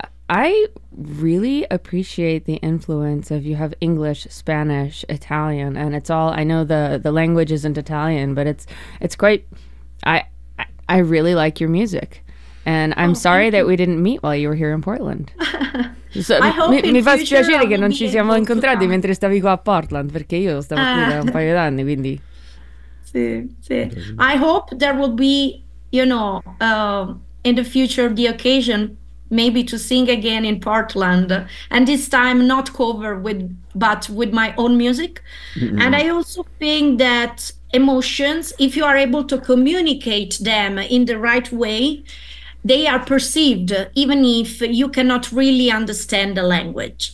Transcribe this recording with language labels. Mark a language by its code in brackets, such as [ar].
[en] I really appreciate the influence of, you have English, Spanish, Italian, and it's all, I know the language isn't Italian, but it's quite, I really like your music. And I'm sorry that we didn't meet while you were here in Portland. So, [it] mi fa piacere che non ci siamo incontrati mentre stavi qua a Portland, perché io stavo qui da un paio d'anni, quindi... Sì, sì. [en] I hope there will be, you know, in the future the occasion maybe to sing again in Portland, and this time not cover with, but with my own music. Mm-hmm. And I also think that emotions, if you are able to communicate them in the right way, they are perceived, even if you cannot really understand the language.